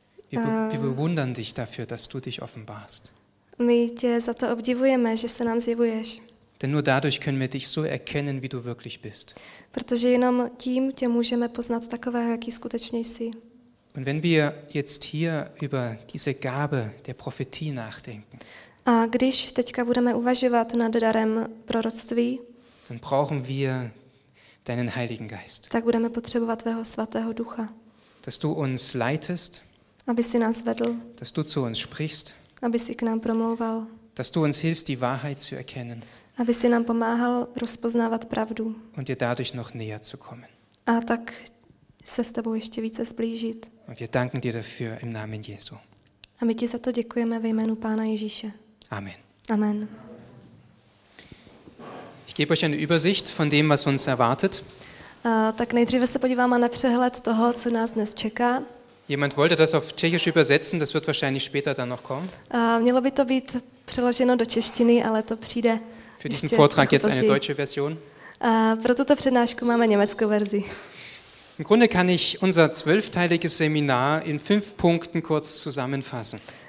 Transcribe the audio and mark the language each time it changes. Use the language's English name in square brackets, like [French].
[German] Wir bewundern dich dafür, dass du dich offenbarst. [Czech] My tě za to obdivujeme, že se nám zjevuješ. [German] Denn nur dadurch können wir dich so erkennen, wie du wirklich bist. [Czech] Protože jenom tím tě můžeme poznat takového, jaký skutečně jsi. [German] Und wenn wir jetzt hier über diese Gabe der Prophetie nachdenken. [Czech] A když teďka budeme uvažovat nad darem proroctví, [German] dann brauchen wir deinen Heiligen Geist. [Czech] Tak budeme potřebovat tvého svatého ducha. [German] Dass du uns leitest. [Czech] Aby jsi nás vedl. [German] Dass du zu uns sprichst. [Czech] Aby jsi k nám promlouval. [German] Dass du uns hilfst, die Wahrheit zu erkennen. [Czech] Aby jsi nám pomáhal rozpoznávat pravdu. [German] Und dir dadurch noch näher zu kommen. [Czech] A tak se s tebou ještě více zblížit. [German] Und wir danken dir dafür im Namen Jesu. [Czech] A my ti za to děkujeme ve jménu Pána Ježíše. [German] Amen. [Czech] Amen. [German] Ich gebe euch eine Übersicht von dem, was uns erwartet. [Czech] Tak nejdříve se podíváme na přehled toho, co nás dnes čeká. [German] Jemand wollte das auf Tschechisch übersetzen, das wird wahrscheinlich später dann noch kommen. [Czech] Mělo by to být přeloženo do češtiny, ale to přijde. [German] Für diesen Vortrag jetzt eine deutsche Version. [Czech] Pro tuto přednášku máme německou verzi. [German] Im Grunde kann ich unser 12-teiliges Seminar in 5 Punkten kurz zusammenfassen.